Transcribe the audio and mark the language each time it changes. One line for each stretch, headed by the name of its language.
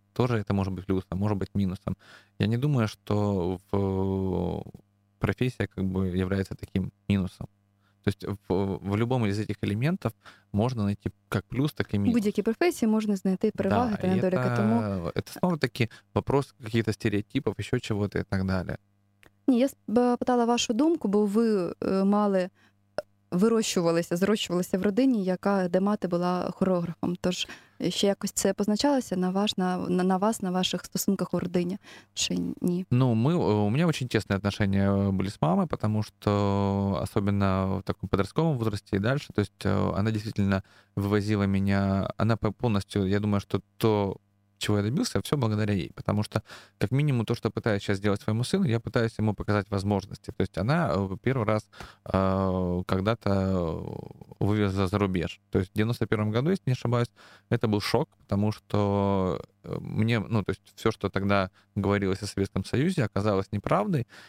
Russian: Тоже это может быть плюсом, может быть минусом. Я не думаю, что профессия как бы является таким минусом. То есть в любом из этих элементов можно найти как плюс, так и минус.
Ukrainian: Будь-які
Russian: профессии можно
Ukrainian: знайти переваги,
Russian: да,
Ukrainian: недоліки. Тому...
Russian: Это снова-таки вопрос каких-то стереотипов, еще чего-то и так далее.
Ukrainian: Ні, я питала вашу думку, бо ви мали зрощувалися в родині, яка де мати була хореографом. Тож ще якось це позначалося на вас, на ваших стосунках у родині чи ні? Ну, у мене дуже тісні відносини були з мамою, тому що особливо в такому підростковому віці і далі, тобто вона дійсно вивозила мене, вона повністю, я думаю, що то
Russian: чего я добился, все благодаря ей. Потому что, как минимум, то, что пытаюсь сейчас сделать своему сыну, я пытаюсь ему показать возможности. То есть она первый раз когда-то вывезла за рубеж. То есть в 91-м году, если не ошибаюсь, это был шок, потому что мне, ну, то есть все, что тогда говорилось о Советском Союзе, оказалось неправдой.